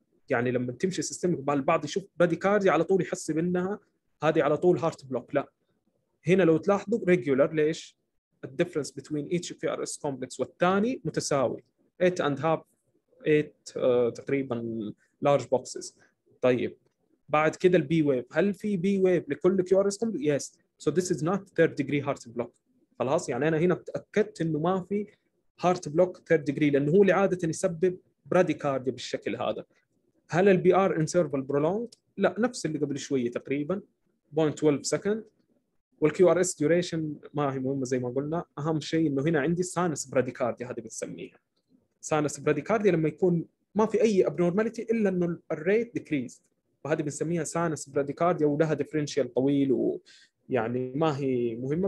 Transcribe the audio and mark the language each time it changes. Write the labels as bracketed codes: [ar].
[ar] يعني لما تمشي سيستميك البعض يشوف برادكارديا على طول يحس بانها هذه على طول هارت بلوك. لا، هنا لو تلاحظوا ريجولر. ليش؟ الديفرنس بتوين ايتش في ار اس كومبلكس والثاني متساوي 8 اند هاف 8 تقريبا لارج بوكسز. طيب بعد كده البي ويف، هل في بي ويف لكل كيو ار اس كومبلكس؟ يس. [en] So this is not third degree heart block. [ar] خلاص يعني أنا هنا تأكدت إنه ما في heart block third degree، لأنه هو لعادة يسبب bradycardia بالشكل هذا. هل ال BR interval prolonged؟ لا، نفس اللي قبل شوية تقريبا 0.12 second. وال QRS duration ما هي مهمة زي ما قلنا. أهم شيء إنه هنا عندي sinus bradycardia، هذه بتسميها sinus bradycardia لما يكون ما في أي abnormality إلا إنه rate decreased، وهذه بنسميها sinus bradycardia ولها differential طويل و يعني ما هي مهمه.